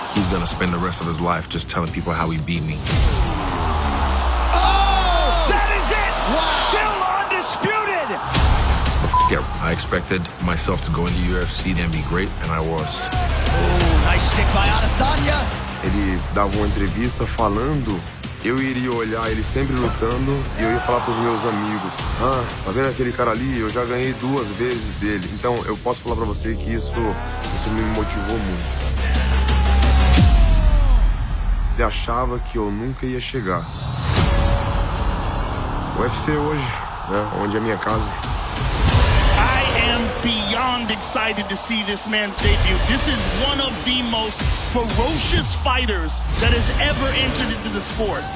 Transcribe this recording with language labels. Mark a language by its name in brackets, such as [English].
[English] Gonna spend the rest of his life just telling people how he beat me. Oh, that is it! Wow. Still undisputed. Yeah, I expected myself to go into UFC and be great, and I was. Ooh, nice stick by Adesanya. [Portuguese] Ele dava uma entrevista falando, eu iria olhar ele sempre lutando e eu ia falar pros meus amigos. Ah, tá vendo aquele cara ali? Eu já ganhei duas vezes dele. Então eu posso falar para você que isso me motivou muito. Ele achava que eu nunca ia chegar. O UFC hoje, né, onde é minha casa. [English] I am beyond excited to see this man's debut. This is one of the most ferocious fighters that has ever entered into the sport.